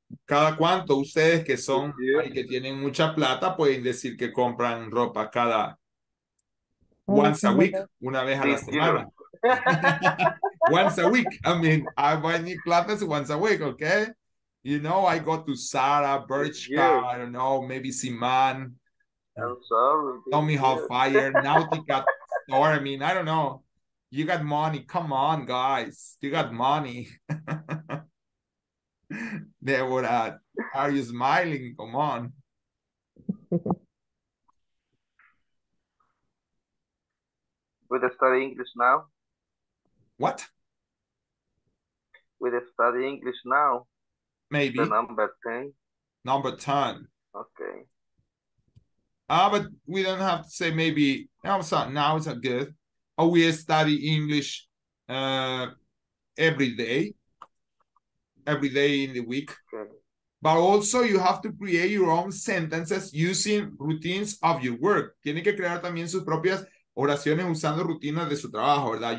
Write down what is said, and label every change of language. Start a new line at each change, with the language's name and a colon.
Spanish: ¿Cada cuánto ustedes que son y que tienen mucha plata pueden decir que compran ropa cada
English: once a week,
Spanish: una vez a la semana?
English: Once a week. I mean, I buy new clothes once a week, okay? You know, I go to Zara, Bershka, I don't know, maybe Siman. I'm sorry. Tommy Hilfiger, Nautica store. I mean, I don't know. You got money. Come on, guys. You got money. Deborah, are you smiling? Come on. With the study English now. What? With the study English now. Maybe. The number 10. Number 10. Okay. But we don't have to say maybe. Now it's a good. Oh, we study English every day in the week. Okay. But also you have to create your own sentences using routines of your work.
Spanish: Tienen que crear también sus propias oraciones usando rutinas de su trabajo, ¿verdad?